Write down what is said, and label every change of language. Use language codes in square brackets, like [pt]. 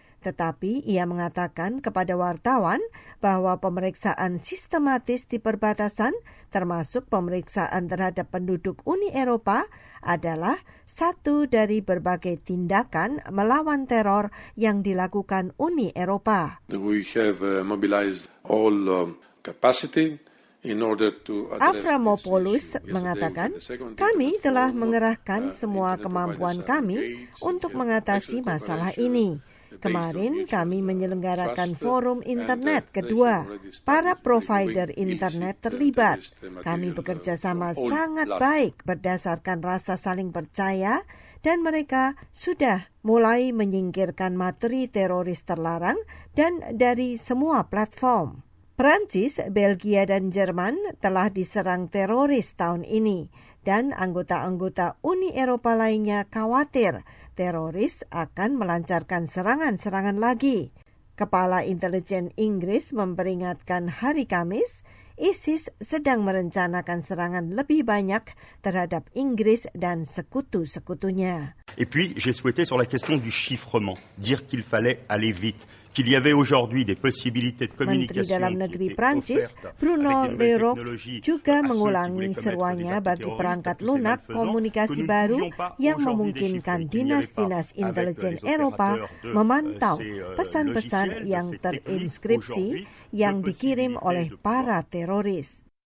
[id] Tetapi ia mengatakan kepada wartawan bahwa pemeriksaan sistematis di perbatasan, termasuk pemeriksaan terhadap penduduk Uni Eropa, adalah satu dari berbagai tindakan melawan teror yang dilakukan Uni Eropa. [en] We have mobilized all capacity. [id] Avramopoulos mengatakan, kami telah mengerahkan semua kemampuan kami untuk mengatasi masalah ini. Kemarin kami menyelenggarakan forum internet kedua. Para provider internet terlibat. Kami bekerja sama sangat baik berdasarkan rasa saling percaya dan mereka sudah mulai menyingkirkan materi teroris terlarang dan dari semua platform. Prancis, Belgia, dan Jerman telah diserang teroris tahun ini, dan anggota-anggota Uni Eropa lainnya khawatir teroris akan melancarkan serangan-serangan lagi. Kepala Intelijen Inggris memperingatkan hari Kamis, ISIS sedang merencanakan serangan lebih banyak terhadap Inggris dan sekutu-sekutunya. [fr] Et puis, j'ai souhaité sur la question du chiffrement, dire qu'il fallait aller vite. Qu'il y avait aujourd'hui des possibilités de communication. [id] Menteri Dalam Negeri Prancis, Bruno Le Roux, juga mengulangi seruannya bagi perangkat lunak komunikasi baru yang memungkinkan dinas-dinas intelijen Eropa memantau pesan-pesan yang terinskripsi yang dikirim oleh para teroris.